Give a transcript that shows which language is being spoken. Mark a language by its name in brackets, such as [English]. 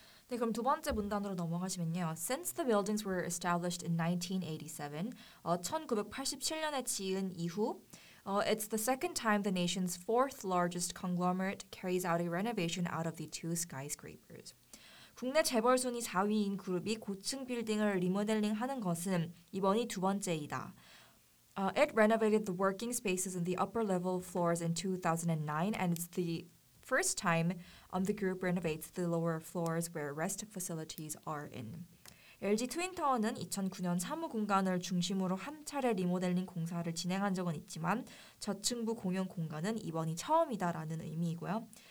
[Korean] 네, 그럼 두 번째 문단으로 넘어가시면요. [English] Since the buildings were established in 1987, [Korean] 1987년에 지은 이후, [English] it's the second time the nation's fourth largest conglomerate carries out a renovation out of the two skyscrapers. [Korean] 국내 재벌 순위 4위인 그룹이 고층 빌딩을 리모델링하는 것은 이번이 두 번째이다. [English] It renovated the working spaces in the upper level floors in 2009, and it's the first time the group renovates the lower floors where rest facilities are in. [Korean] LG 트윈타워는 2009년 사무 공간을 중심으로 한 차례 리모델링 공사를 진행한 적은 있지만 저층부 공용 공간은 이번이 처음이다라는 의미이고요.